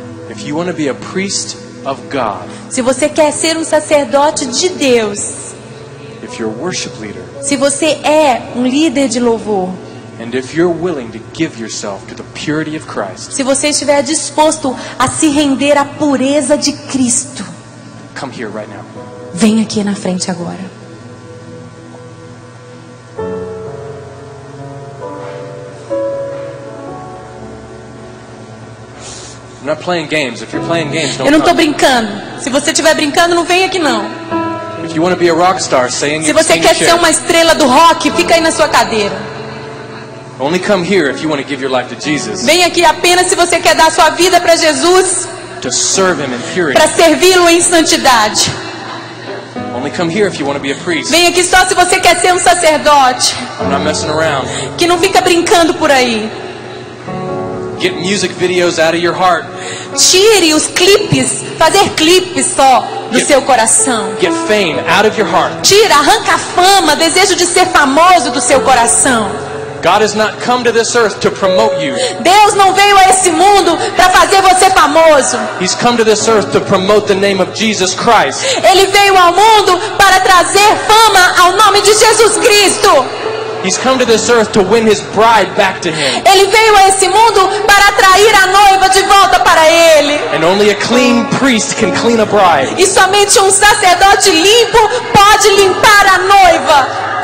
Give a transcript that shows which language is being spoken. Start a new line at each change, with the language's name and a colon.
English: If you want to be a priest of God,
Portuguese: se você quer ser um sacerdote de Deus,
English: if you're a worship leader,
Portuguese: se você é um líder de louvor,
English: and if you're willing to give yourself to the purity of Christ,
Portuguese: se você estiver disposto a se render à pureza de Cristo,
English: come here right now.
Portuguese: Vem aqui na frente agora.
English: I'm not playing games. If you're playing games, don't
Portuguese: Eu não estou brincando. Se você estiver brincando, não vem aqui não.
English: If you want to be a rock star, stay in your chair.
Portuguese: Se você quer ser uma estrela do rock, fica aí na sua cadeira.
English: Only come here if you want to give your life to Jesus.
Portuguese: Vem aqui apenas se você quer dar sua vida para Jesus.
English: To serve him in purity.
Portuguese: Para servi-lo em santidade.
English: Only come here if you want to be a priest.
Portuguese: Vem aqui só se você quer ser um sacerdote.
English: I'm not messing around.
Portuguese: Que não fica brincando por aí.
English: Get music videos out of your heart.
Portuguese: Tire os clipes, fazer clipes só do seu coração.
English: Get fame out of your heart.
Portuguese: Tira, arranca a fama, desejo de ser famoso do seu coração.
English: God has not come to this earth to promote you.
Portuguese: Deus não veio a esse mundo para fazer você famoso.
English: He's come to this earth to promote the name of Jesus Christ.
Portuguese: Ele veio ao mundo para trazer fama ao nome de Jesus Cristo.
English: He's come to this earth to win his bride back to him.
Portuguese: Ele veio a esse mundo para atrair a noiva de volta para ele.
English: And only a clean priest can clean a bride.
Portuguese: E somente sacerdote limpo pode limpar a noiva.